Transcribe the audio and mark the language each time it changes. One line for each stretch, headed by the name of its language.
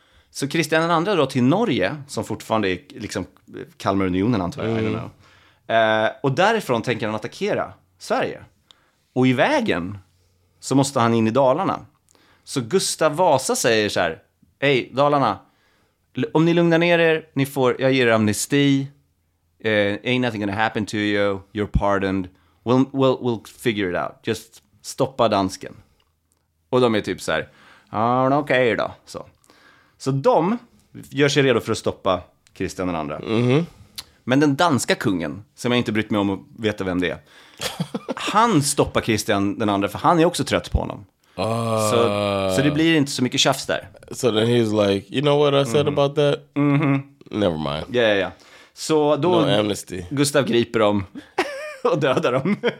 Swedish: Så Kristian den andra drar till Norge, som fortfarande är liksom Kalmarunionen antar jag. Mm.
English: I don't know.
Swedish: Och därifrån tänker han attackera Sverige. Och i vägen så måste han in i Dalarna. Så Gustav Vasa säger så här: hej Dalarna, om ni lugnar ner er, ni får, jag ger er amnesti.
English: Ain't nothing gonna happen to you, you're pardoned. We'll figure it out. Just
Swedish: stoppa dansken. Och de är typ så här: okej då. Så de gör sig redo för att stoppa Kristian den andra. Mm-hmm. Men den danska kungen, som jag inte brytt mig om att veta vem det är, han stoppar Kristian den andra, för han är också trött på honom. Så det blir inte så mycket tjafs där.
English: So then he's like, you know what I said about that? Mm-hmm. Never mind.
Swedish: Ja, ja, ja. Så då
English: no amnesty.
Swedish: Gustav griper dem och dödar dem.